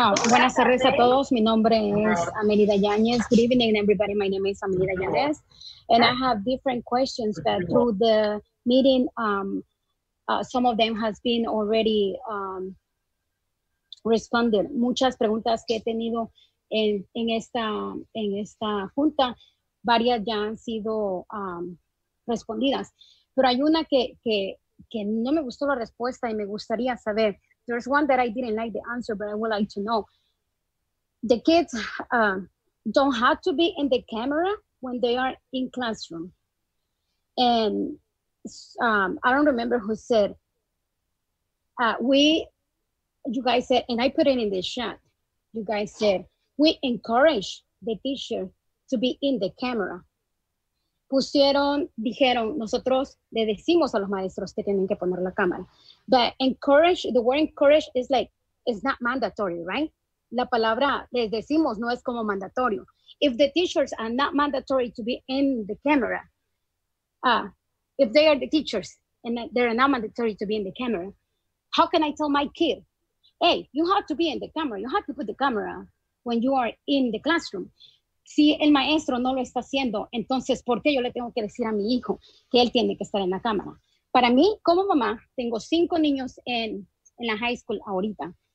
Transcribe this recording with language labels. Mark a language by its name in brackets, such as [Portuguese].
[Spanish] Buenas tardes a todos. Mi nombre es Amelida Yanez. [English] Good evening, everybody. My name is Amelida Yanez. And I have different questions that through the meeting, some of them has been already responded. [Spanish] Muchas preguntas que he tenido en esta junta, varias ya han sido respondidas. Pero hay una que no me gustó la respuesta y me gustaría saber. [English] There's one that I didn't like the answer, but I would like to know. The kids don't have to be in the camera when they are in classroom. And I don't remember who said, you guys said, and I put it in the chat, you guys said, we encourage the teacher to be in the camera. [Spanish] Dijeron, nosotros le decimos a los maestros que tienen que poner la cámara. [English] But encourage, the word encourage is like, it's not mandatory, right? [Spanish] la palabra les decimos no es como mandatorio. [English] If the teachers are not mandatory to be in the camera, if they are the teachers and they're not mandatory to be in the camera, how can I tell my kid, hey, you have to be in the camera, you have to put the camera when you are in the classroom? [Spanish] Si el maestro no lo está haciendo, entonces, ¿por qué yo le tengo que decir a mi hijo que él tiene que estar en la cámara? Para mí, como mamá, tengo 5 niños en la high school ahorita.